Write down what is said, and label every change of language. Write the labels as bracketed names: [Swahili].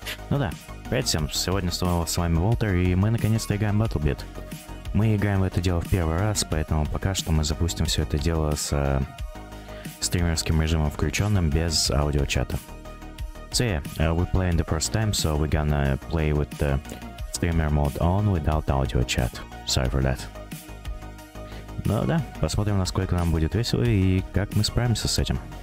[Russian] Ну да. Привет всем. Сегодня снова с вами Уолтер, и мы наконец-то играем Battlebit. Мы играем в это дело в первый раз, поэтому пока что мы запустим все это дело с стримерским режимом включенным без аудиочата. [English] So yeah, we're playing the first time, so we're gonna play with the streamer mode on without audio chat. Sorry for that. [Russian] Ну да, посмотрим, насколько нам будет весело и как мы справимся с этим.